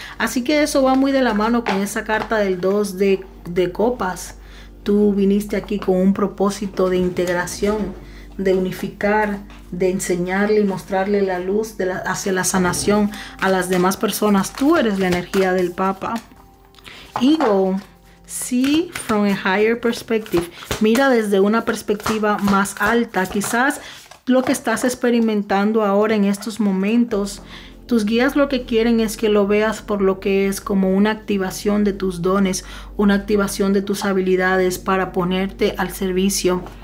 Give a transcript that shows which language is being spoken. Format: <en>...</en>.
<es>Así que eso va muy de la mano con esa carta del 2 de copas. Tú viniste aquí con un propósito de integración, de unificar, de enseñarle y mostrarle la luz de hacia la sanación a las demás personas. Tú eres la energía del Papa.</es> <en>Ego, see from a higher perspective.</en> <es>Mira desde una perspectiva más alta. Quizás lo que estás experimentando ahora en estos momentos, tus guías lo que quieren es que lo veas por lo que es, como una activación de tus dones, una activación de tus habilidades para ponerte al servicio.</es>